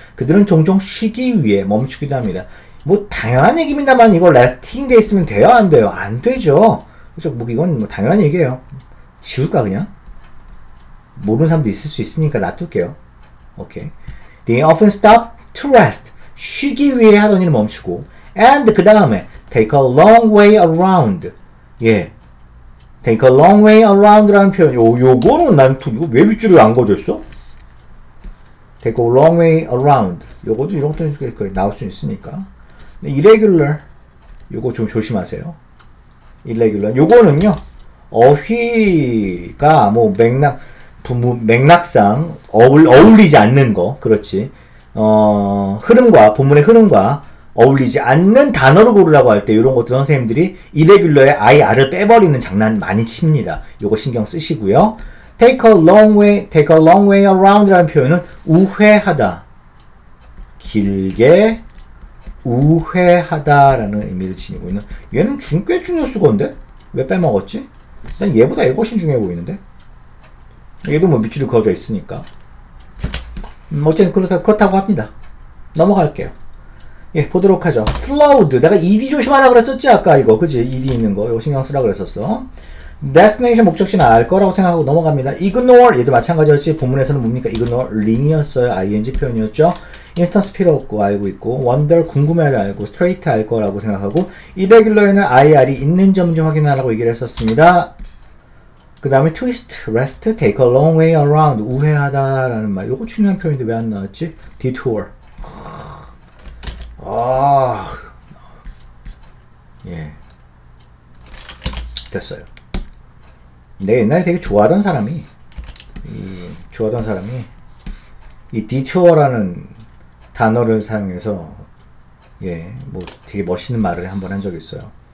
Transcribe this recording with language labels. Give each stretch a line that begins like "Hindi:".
Korean: 그들은 종종 쉬기 위해 멈추기도 합니다. 뭐 당연한 얘기입니다만 이거 resting 돼 있으면 돼요? 안 돼요? 안 되죠. 그렇죠. 뭐 이건 뭐 당연한 얘기예요. 지울까 그냥? 모르는 사람도 있을 수 있으니까 놔둘게요.
English: 오케이. They often stop to rest.
Korean: 쉬기 위해 하던 일을 멈추고 and 그 다음에
English: take a long way around.
Korean: 예. take a long way around라는 표현. 요거는 난 왜 밑줄을 안 거졌어?
English: take a long way around.
Korean: 요것도 이런 것도 나올 수 있으니까 irregular. 요거 좀 조심하세요. 일레귤러 요거는요 어휘가 뭐 맥락상 어울리지 않는 거 그렇지 흐름과 본문의 흐름과 어울리지 않는 단어를 고르라고 할 때 이런 것들 선생님들이 일레귤러의 IR을 빼버리는 장난 많이 칩니다. 요거 신경 쓰시고요.
English: take a long way around
Korean: 라는 표현은 우회하다 길게 우회하다라는 의미를 지니고 있는. 얘는 꽤 중요 수건데? 왜 빼먹었지? 난 얘보다 얘 훨씬 중요해 보이는데? 얘도 뭐 밑줄이 그어져 있으니까. 어쨌든 그렇다고 합니다. 넘어갈게요. 예, 보도록 하죠. Flood. 내가 ED 조심하라 그랬었지, 아까 이거. 그치? ED 있는 거. 이거 신경 쓰라 그랬었어. Destination 목적지는 알 거라고 생각하고 넘어갑니다. Ignore. 얘도 마찬가지였지. 본문에서는 뭡니까? Ignore. Ring이었어요. ING 표현이었죠. Instance 필요 없고, 알고 있고. Wonder. 궁금해도 알고. Straight 알 거라고 생각하고. Irregular에는 IR이 있는 점인지 확인하라고 얘기를 했었습니다. 그 다음에 twist, rest, take a long way around, 우회하다 라는 말. 요거 중요한 표현인데 왜 안 나왔지? detour. 아, 예. 됐어요. 내가 옛날에 되게 좋아하던 사람이, 이 detour라는 단어를 사용해서, 예, 뭐 되게 멋있는 말을 한번 한 적이 있어요.